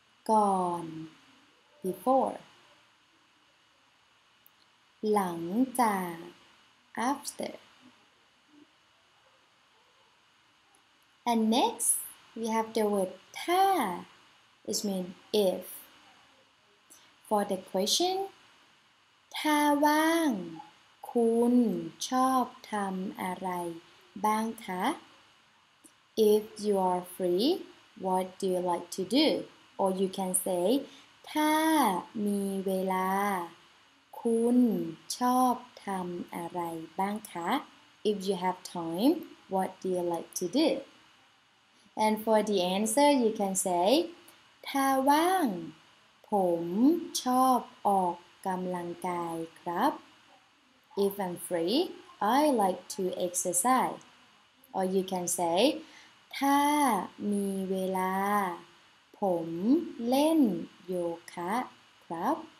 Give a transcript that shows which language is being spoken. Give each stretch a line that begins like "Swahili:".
Thai: ก่อน before. หลังจาก after.
English: And next we have the word ถ้า which means if. For the question,
Thai: ถ้าว่างคุณชอบทำอะไรบ้างคะ?
English: If you are free, what do you like to do? Or you can say,
Thai: ถ้ามีเวลาคุณชอบทำอะไรบ้างคะ?
English: If you have time, what do you like to do? And for the answer, you can say,
Thai: ถ้าว่างผมชอบออกกำลังกายครับ.
English: If I'm free, I like to exercise. Or you can say,
Thai: ถ้ามีเวลาผมเล่นโยคะครับ.